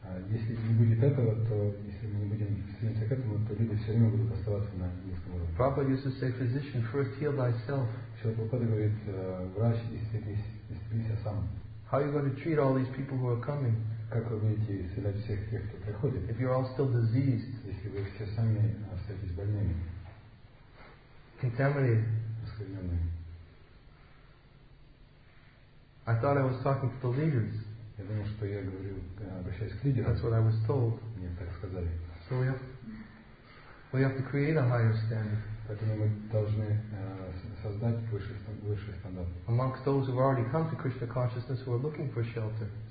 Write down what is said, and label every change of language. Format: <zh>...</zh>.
<ru>Если не будет этого, то если мы не будем стремиться к этому, то люди все время будут оставаться на низком уровне.</ru> <en>Prabhupada used to say, physician, first heal thyself.</en> <ru>Шрила Прабхупада говорит, врач, исцелись сам.</ru> <en>How are you going to treat all these people who are coming?</en> <ru>Как вы будете исцелять всех тех, кто приходит?</ru> <en>If you're all still diseased.</en> <ru>Если вы все сами остаетесь больными.</ru> <en>Contaminated. I thought I was talking to the leaders.</en> <ru>Я думал, что я говорю, обращаясь к лидерам.</ru> <en>That's what I was told.</en> <ru>Мне так сказали.</ru> <en>So we have to create a higher standard.</en> <ru>Поэтому мы должны создать высший стандарт.</ru> <en>A amongst those who have already come to Krishna consciousness who are looking for shelter.</en>